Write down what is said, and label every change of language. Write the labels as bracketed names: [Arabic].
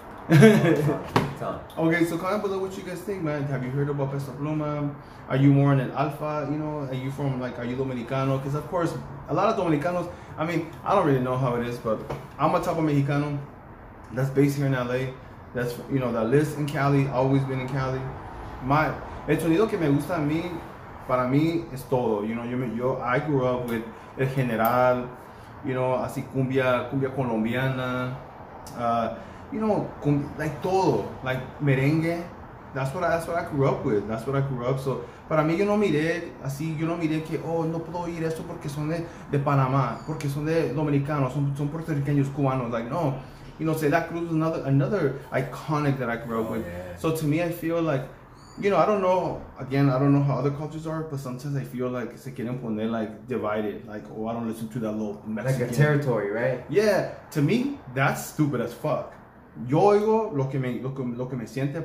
[English] Okay, so comment below what you guys think, man. Have you heard about Peso Pluma? Are you more in an Alfa? You know, are you from, like, are you Dominicano? Because, of course, a lot of Dominicanos, I mean, I don't really know how it is, but I'm a type of Mexicano that's based here in LA, that's, you know, that lives in Cali, always been in Cali. [Spanish] My, el sonido que me gusta a mí, para mí, es todo. [English] You know, I grew up with El General, you know, [Spanish] así cumbia colombiana, [English] you know, like todo, like merengue. That's what I grew up with. That's what I grew up. So, [Spanish] para mí, yo no miré así. Yo no miré que, oh, no puedo oír esto porque son de Panamá, porque son de dominicanos, son puertorriqueños, cubanos. [English] Like, no, you know, Celia Cruz is another iconic that I grew up with. Yeah. So to me, I feel like, you know, I don't know. Again, I don't know how other cultures are, but sometimes I feel like [Spanish] se quieren poner [English] like divided. Like, oh, I don't listen to that little Mexican. Like a territory, right? Yeah. To me, that's stupid as fuck. [Spanish] Yo oigo lo que me siente.